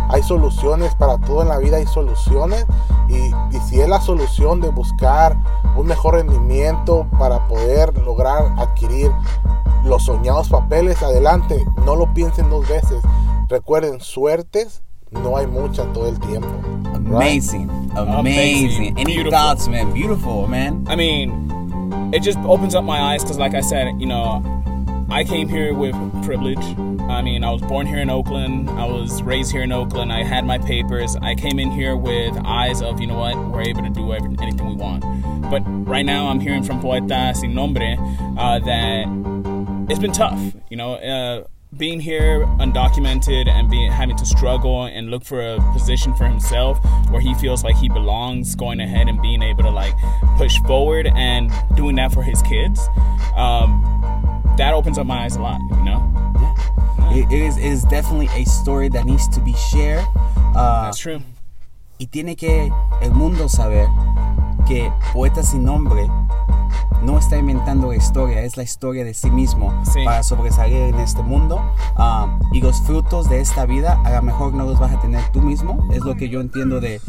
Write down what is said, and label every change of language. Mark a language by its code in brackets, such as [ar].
[es] Hay soluciones para todo en la vida, hay soluciones. Y si es la solución de buscar un mejor rendimiento para poder lograr adquirir los soñados papeles, adelante, no lo piensen dos veces. Recuerden, suertes no hay mucha todo el tiempo. [en] Amazing. Any beautiful thoughts, man? Beautiful, man. I mean, it just opens up my eyes because, like I said, you know, I came here with privilege. I mean, I was born here in Oakland. I was raised here in Oakland. I had my papers. I came in here with eyes of, you know what, we're able to do anything we want. But right now, I'm hearing from Poeta Sin Nombre that it's been tough, you know. Being here undocumented and having to struggle and look for a position for himself where he feels like he belongs, going ahead and being able to like push forward and doing that for his kids, that opens up my eyes a lot, you know? Yeah. It is definitely a story that needs to be shared. That's true. [es] Y tiene que el mundo saber que Poeta Sin Nombre no está inventando la historia, es la historia de sí mismo, sí, para sobresalir en este mundo. Y los frutos de esta vida a lo mejor no los vas a tener tú mismo, es lo que yo entiendo de